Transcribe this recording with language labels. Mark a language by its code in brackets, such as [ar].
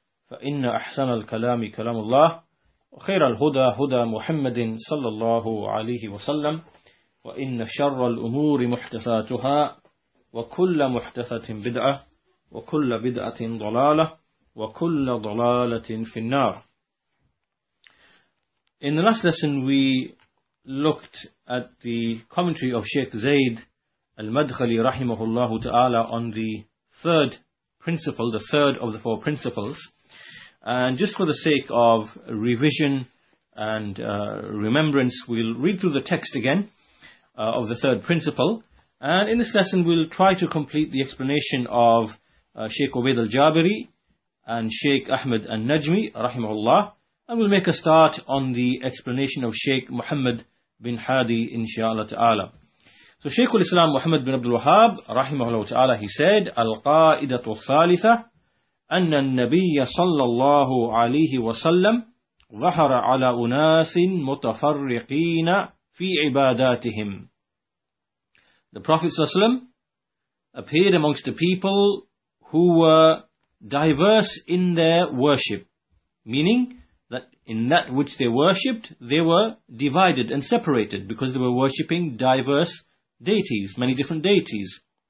[ar] فإن أحسن الكلام كلام الله خير الهدى هدى محمد صلى الله عليه وسلم وإن شر الأمور محدثاتها وكل محدثة بدعة وكل بدعة ضلالة وكل ضلالة في النار. [en] In the last lesson we looked at the commentary of Sheikh Zayd al-Madkhali [ar] رحمه الله تعالى [en] on the third principle, the third of the four principles. And just for the sake of revision and remembrance, we'll read through the text again of the third principle. And in this lesson, we'll try to complete the explanation of Sheikh Ubayd al-Jabiri and Sheikh Ahmed al-Najmi, rahimahullah. And we'll make a start on the explanation of Sheikh Muhammad bin Hadi, insha'Allah ta'ala. So Sheikh al-Islam Muhammad bin Abdul Wahhab, rahimahullah ta'ala, he said, Al-Qa'idatu al-Thalitha. [ar] أن النبي صلى الله عليه وسلم ظهر على أناس متفرقين في عباداتهم. [en] The Prophet [ar] صلى الله عليه وسلم [en] appeared amongst the people who were diverse in their worship, meaning that in that which they worshipped, they were divided and separated because they were worshipping diverse deities, many different deities.